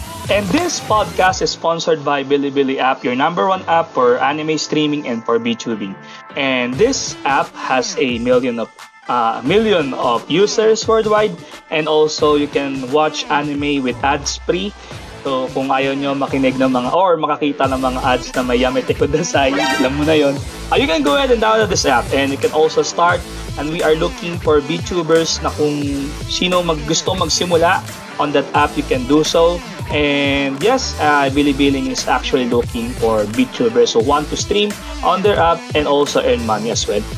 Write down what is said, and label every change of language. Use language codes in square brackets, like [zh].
[en] And this podcast is sponsored by Bilibili app, your number one app for anime streaming and for VTubing. And this app has a million of users worldwide. And also, you can watch anime with ads-free. [tl] So, kung ayaw nyo makinig ng mga or makakita ng mga ads na may [ja] yamete kudasay, [tl] alam mo na yun. [en] You can go ahead and download this app, and you can also start. And we are looking for VTubers [tl] na kung sino gusto magsimula [en] on that app, you can do so. And yes, Bilibili is actually looking for VTubers who want to stream on their app and also earn money as well.